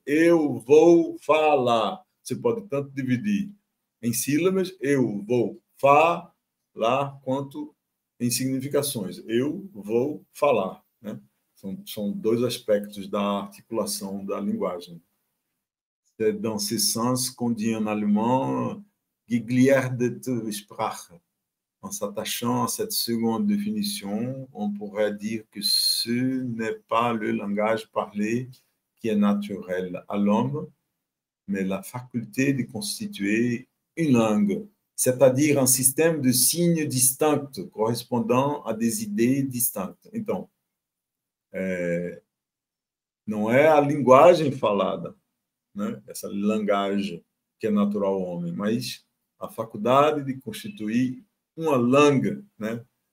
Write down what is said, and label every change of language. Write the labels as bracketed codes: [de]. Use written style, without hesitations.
[pt] Eu vou falar. Você pode tanto dividir em sílabas, eu vou falar, quanto em significações. Eu vou falar. Né? São dois aspectos da articulação da linguagem. [fr] Dans ce sens qu'on dit en allemand [de] gegliederte Sprache. [fr] En s'attachant à cette seconde définition, on pourrait dire que ce n'est pas le langage parlé qui est naturel à l'homme, mais la faculté de constituer une langue, c'est-à-dire un système de signes distincts correspondant à des idées distinctes. [pt] Então, não é a linguagem falada, né, essa linguagem que é natural ao homem, mas a faculdade de constituir uma langue, né,